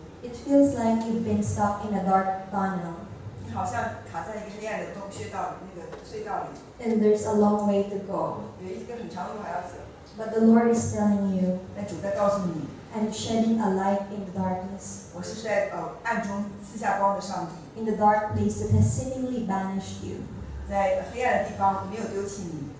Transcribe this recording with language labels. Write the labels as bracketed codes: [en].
[en] It feels like you've been stuck in a dark tunnel. [zh] 你好像卡在一个黑暗的洞穴道，那个隧道里。 [en] And there's a long way to go. [zh] 有一个很长路还要走。 [en] But the Lord is telling you, [zh] 但主在告诉你, [en] I'm shedding a light in the darkness. [zh] 我是在暗中赐下光的上帝, [en] in the dark place that has seemingly banished you. [zh] 在黑暗的地方没有丢弃你,